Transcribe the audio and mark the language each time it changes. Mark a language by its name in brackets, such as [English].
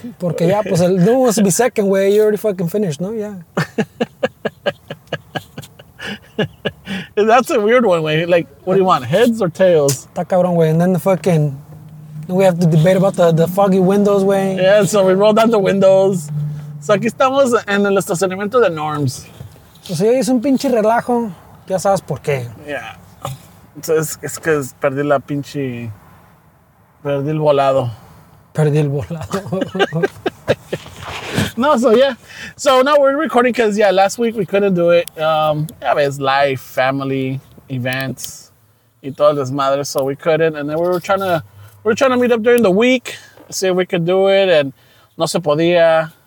[Spanish] Porque ya, pues, el [English] dude wants to be second, güey. You already fucking finished, no? Yeah. That's a weird one, way. Like, what do you want, heads or tails? [Spanish] Está cabrón, [English] way. And then the fucking, we have to debate about the foggy windows, way. Yeah, so we rolled down the windows. [Spanish] So aquí estamos en el estacionamiento de Norms. Pues hoy es un pinche relajo. Ya sabes por qué. [English] Yeah. [Spanish] Entonces, es que perdí la pinche, perdí el volado. Perdí el volado. [English] No, so yeah. So now we're recording because, yeah, last week we couldn't do it. Yeah, but it's life, family, events, [Spanish] y todo desmadre, [English] so we couldn't. And then we were trying to meet up during the week, see if we could do it, and [Spanish] no se podía.